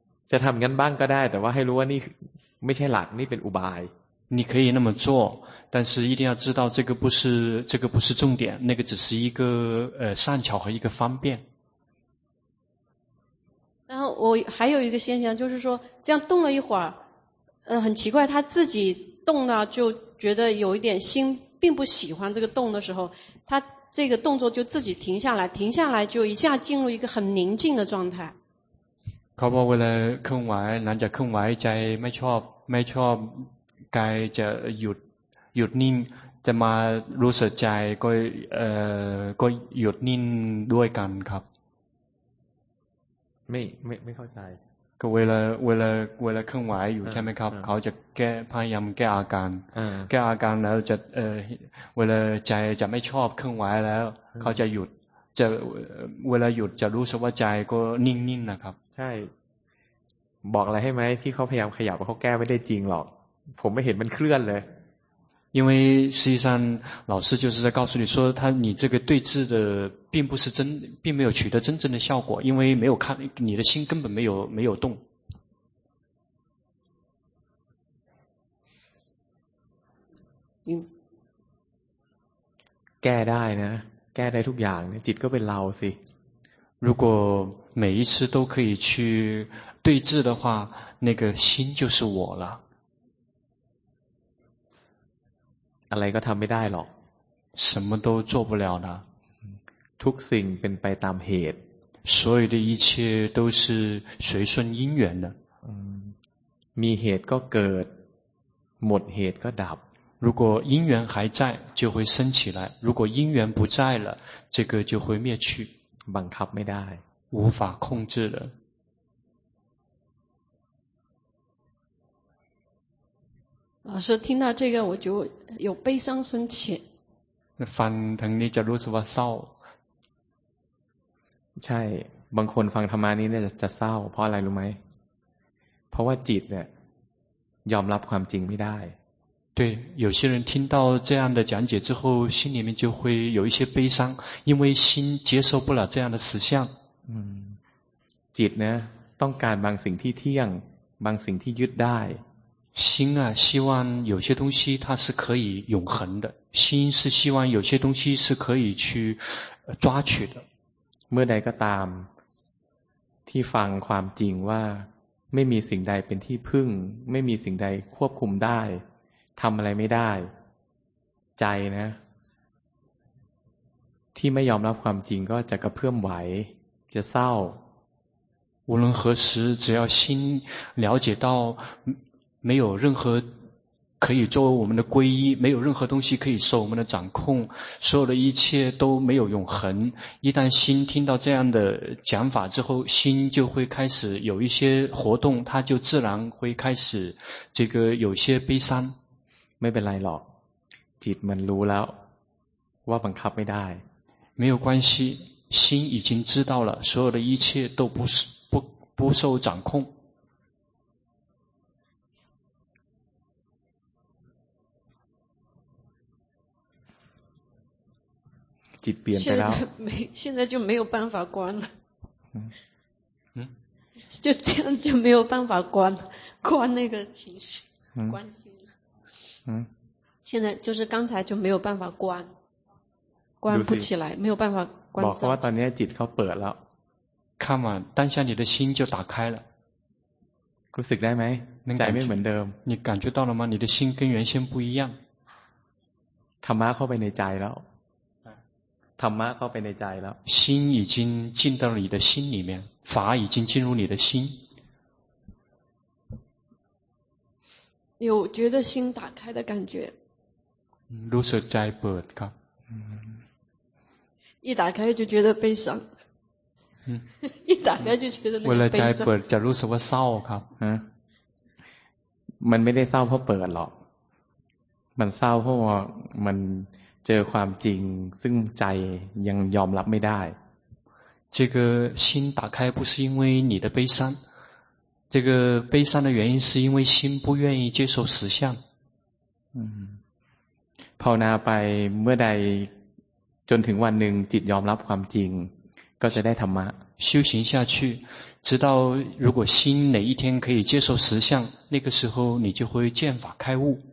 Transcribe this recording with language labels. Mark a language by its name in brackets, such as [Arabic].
[Thai] จะทำงั้นบ้างก็ได้แต่ว่าให้รู้ว่านี่ไม่ใช่หลักนี่เป็นอุบาย [Chinese] 你可以那么做但是一定要知道这个不是重点那个只是一个善巧和一个方便然后我还有一个现象就是说这样动了一会儿很奇怪他自己动了就觉得有一点心并不喜欢这个动的时候他这个动作就自己停下来就一下进入一个很宁静的状态 [Thai] เขาบอกว่าเคลื่อนไหวหลังจากเคลื่อนไหวใจไม่ชอบกายจะหยุดนิ่งจะมารู้สึกใจก็หยุดนิ่งด้วยกันครับ ไม่เข้าใจ ก็เวลาเคลื่อนไหวอยู่ใช่ไหมครับเขาจะแก้พยายามแก้อาการแก้อาการแล้วจะเวลาใจจะไม่ชอบเคลื่อนไหวแล้วเขาจะหยุดจะเวลาหยุดจะรู้สึกว่าใจก็นิ่งๆนะครับ ใช่บอกอะไรให้ไหมที่เขาพยายามขยับเขาแก้ไม่ได้จริงหรอกผมไม่เห็นมันเคลื่อนเลย [Chinese] 因为实际上老师就是在告诉你说他你这个对峙的并不是真并没有取得真正的效果因为没有看你的心根本没有动 [Thai] แก้ได้นะแก้ได้ทุกอย่างเนี่ยจิตก็เป็นเราสิ [Chinese] 如果每一次都可以去对治的话那个心就是我了 [Thai] อะไรก็ทำไม่ได้หรอก [Chinese] 什么都做不了的 [Thai] ทุกสิ่งเป็นไปตามเหตุ [Chinese] 所有的一切都是随顺因缘的 [Thai] มีเหตุก็เกิดหมดเหตุก็ดับ [Chinese] 如果因缘还在就会升起来如果因缘不在了这个就会灭去 [Thai] บังคับไม่ได้ [Chinese] 无法控制的老师听到这个我就有悲伤升起 [Thai] ฟังทางนี้จะรู้สึกว่าเศร้า ใช่บางคนฟังธรรมานี้เนี่ยจะเศร้าเพราะอะไรรู้ไหมเพราะว่าจิตเนี่ยยอมรับความจริงไม่ได้ [Chinese] 对，有些人听到这样的讲解之后，心里面就会有一些悲伤，因为心接受不了这样的实相。 [Thai] 嗯，จิต呢，ต้องการบางสิ่งที่เที่ยง，บางสิ่งที่ยึดได้。 [Chinese] 心啊，希望有些东西它是可以永恒的，心是希望有些东西是可以去抓取的。 [Thai] เมื่อใดก็ตามที่ฟังความจริงว่าไม่มีสิ่งใดเป็นที่พึ่งไม่มีสิ่งใดควบคุมได้ทำอะไรไม่ได้ใจนะที่ไม่ยอมรับความจริงก็จะกระเพื่อมไหวจะเศร้า [Chinese] 无论何时只要心了解到没有任何可以作为我们的皈依没有任何东西可以受我们的掌控所有的一切都没有永恒一旦心听到这样的讲法之后心就会开始有一些活动它就自然会开始这个有些悲伤 [Thai] ไม่เป็นไรหรอกจิตมันรู้แล้วว่าบังคับไม่ได้ [Chinese] 没有关系心已经知道了所有的一切都不受掌控 [Thai] จิตเปลี่ยนไปแล้ว [Chinese] 现在就没有办法关了嗯就这样就没有办法关那个情绪关心嗯，现在就是刚才就没有办法关不起来，没有办法关。 [Thai] บอกว่าตอนนี้จิตเขาเปิดแล้ว [Chinese] 看嘛，当下你的心就打开了。 [Thai] รู้สึกได้ไหม？ใจไม่เหมือนเดิม。 [Chinese] 你感觉到了吗？你的心跟原先不一样。 [Thai] ธรรมะเข้าไปในใจแล้ว。 ธรรมะเข้าไปในใจแล้ว。 [Chinese] 心已经进到你的心里面，法已经进入你的心。有觉得心打开的感觉 [Thai] รู้สึกใจเปิดครับ [Chinese] 一打开就觉得悲伤一打开就觉得那个悲伤 [Thai] เวลาใจเปิดจะรู้สึกว่าเศร้าครับ มันไม่ได้เศร้าเพราะเปิดหรอกมันเศร้าเพราะว่ามันเจอความจริงซึ่งใจยังยอมรับไม่ได้ [Chinese] 这个心打开不是因为你的悲伤这个悲伤的原因是因为心不愿意接受实相。 [Thai] 嗯，ภาวนาไปเมื่อใดจนถึงวันหนึ่งจิตยอมรับความจริงก็จะได้ธรรมะ [Chinese] 修行下去，直到如果心哪一天可以接受实相，那个时候你就会见法开悟。